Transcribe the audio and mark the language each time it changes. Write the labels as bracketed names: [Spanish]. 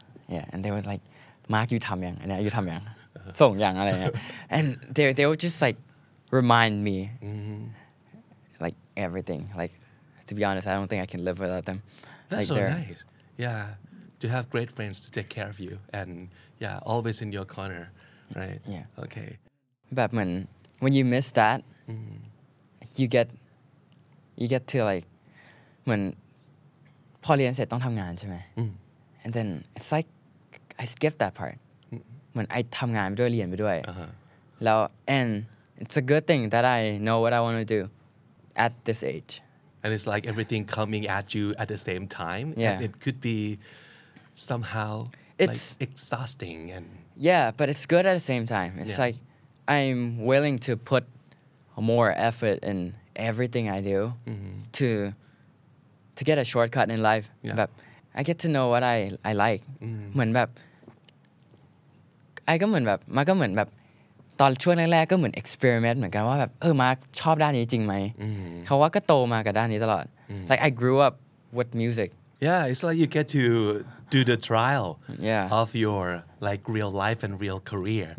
[English] Yeah, and they were like, Marc, you [Thai] tam yang, and you tam yang, song yang, [English] and they would just like remind me mm-hmm. like everything. Like, to be honest, I don't think I can live without them. That's like, so nice. Yeah, to have great friends to take care of you and yeah, always in your corner, right? Yeah. Okay. But when you miss that, mm-hmm. you get to like when [Thai] พอเรียนเสร็จต้องทำงานใช่ไหม [English] And then it's like I skip that part. When I [Thai] ทำงานไปด้วยเรียนไปด้วยแล้ว [English] and it's a good thing that I know what I want to do at this age. And it's like everything coming at you at the same time. Yeah. And it could be somehow it's like exhausting and yeah, but it's good at the same time. It's like I'm willing to put more effort in everything I do mm-hmm. to get a shortcut in life. Yeah. But I get to know what I like. [Thai] เหมือนแบบไอ้ก็เหมือนแบบมันก็เหมือนแบบตอนช่วงแรกๆก็เหมือนเอ็กซ์เพอริเมนต์เหมือนกันว่าแบบเออมาร์คชอบด้านนี้จริงไหมเขาว่าก็โตมากับด้านนี้ตลอด [English] like I grew up with music yeah it's like you get to do the trial yeah of your like real life and real career